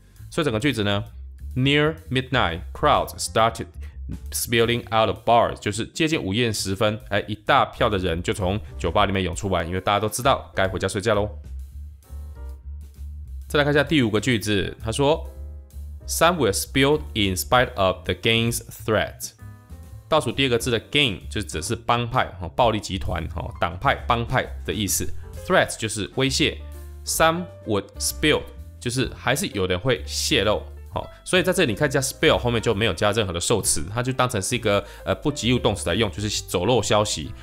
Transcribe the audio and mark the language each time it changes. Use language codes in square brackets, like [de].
[zh] 所以整个句子呢 ， [en] near midnight crowd started spilling out of bars， [zh] 就是接近午夜时分，一大票的人就从酒吧里面涌出来，因为大家都知道该回家睡觉喽。再来看一下第五个句子，他说。 [en] Some were spilled in spite of the gang's threat。 [zh] 倒数第二个字的 gang 就只是帮派、暴力集团、党派、帮派的意思。 Threat 就是威胁。 [en] Some would spill [zh] 就是还是有人会泄露。所以在这里你看一下 spill 后面就没有加任何的受词，它就当成是一个不及物动词来用，就是走漏消息。